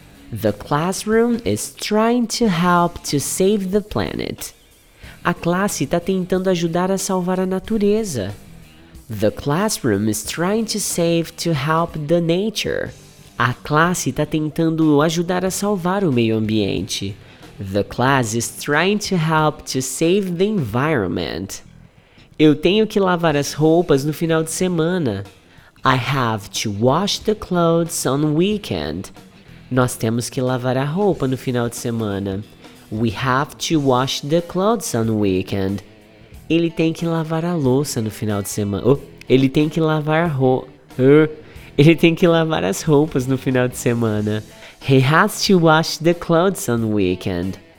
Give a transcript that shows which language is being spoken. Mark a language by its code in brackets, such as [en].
[en] The classroom is trying to help to save the planet. [pt] A classe está tentando ajudar a salvar a natureza. [en] The classroom is trying to save to help the nature. [pt] A classe está tentando ajudar a salvar o meio ambiente. [en] The class is trying to help to save the environment. [pt] Eu tenho que lavar as roupas no final de semana. [en] I have to wash the clothes on weekend. [pt] Nós temos que lavar a roupa no final de semana. [en] We have to wash the clothes on weekend. [pt] Ele tem que lavar a louça no final de semana. Oh, ele tem que lavar a roupa. Ele tem que lavar as roupas no final de semana. [en] He has to wash the clothes on weekend.